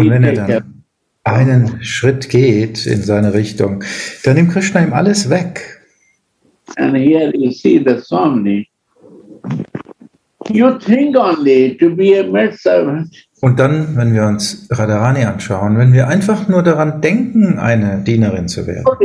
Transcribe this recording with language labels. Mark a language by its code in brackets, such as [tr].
[de] und wenn er dann einen Schritt geht in seine Richtung, dann nimmt Krishna ihm alles weg. [en] And here you see the somni. You think only to be a maid servant. [de] Und dann, wenn wir uns Radharani anschauen, wenn wir einfach nur daran denken, eine Dienerin zu werden.